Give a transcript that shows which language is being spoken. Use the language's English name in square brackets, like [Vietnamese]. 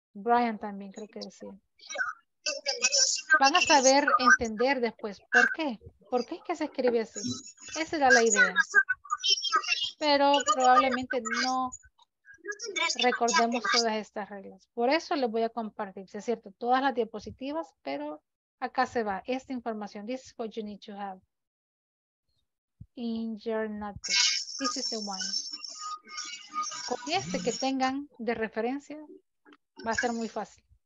[Spanish] Brian también creo que decía. Van a saber entender después. ¿Por qué? ¿Por qué es que se escribe así? Esa era la idea. Pero probablemente no recordemos todas estas reglas. Por eso les voy a compartir, si es cierto, todas las diapositivas, pero acá se va. Esta información, [English] this is what you need to have in your notebook. This is the one. [Spanish] Con este que tengan de referencia, va a ser muy fácil.